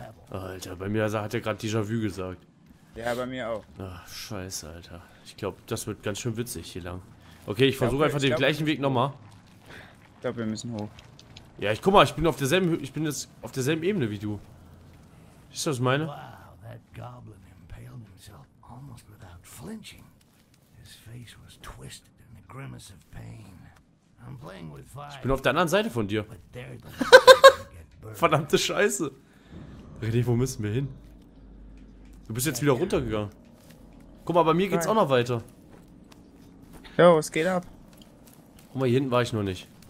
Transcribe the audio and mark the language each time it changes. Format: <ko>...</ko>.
<de>Alter, bei mir hat er gerade Déjà-vu gesagt. Ja, bei mir auch. Ach, scheiße, Alter. Ich glaube, das wird ganz schön witzig hier lang. Okay, ich versuche einfach den gleichen Weg nochmal. Ich glaube, wir müssen hoch. Ja, ich guck mal, ich bin jetzt auf derselben Ebene wie du. Siehst du, was ich meine?</de> <en>Wow, that goblin impaled himself almost without flinching. His face was twisted in a grimace of pain. I'm playing with fire.</en> <de>Ich bin auf der anderen Seite von dir. Verdammte Scheiße. René, wo müssen wir hin? Du bist jetzt wieder runtergegangen. Guck mal, bei mir geht's auch noch weiter. Jo, es geht ab. Guck mal, hier hinten war ich noch nicht.</de>